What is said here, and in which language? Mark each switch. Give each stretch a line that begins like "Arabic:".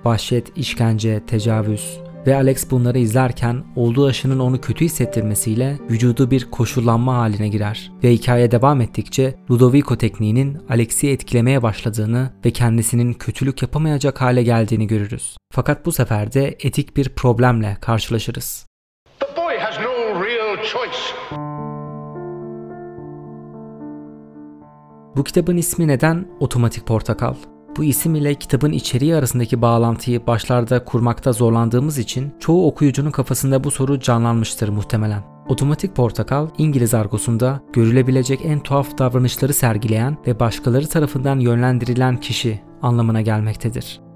Turkish: Vahşet, işkence, tecavüz ve Alex bunları izlerken olduğu aşının onu kötü hissettirmesiyle vücudu bir koşullanma haline girer ve hikaye devam ettikçe Ludovico tekniğinin Alex'i etkilemeye başladığını ve kendisinin kötülük yapamayacak hale geldiğini görürüz. Fakat bu sefer de etik bir problemle karşılaşırız.
English: The boy has no real choice.
Turkish: Bu kitabın ismi neden Otomatik Portakal? Bu isim ile kitabın içeriği arasındaki bağlantıyı başlarda kurmakta zorlandığımız için çoğu okuyucunun kafasında bu soru canlanmıştır muhtemelen. Otomatik Portakal, İngiliz argosunda görülebilecek en tuhaf davranışları sergileyen ve başkaları tarafından yönlendirilen kişi anlamına gelmektedir.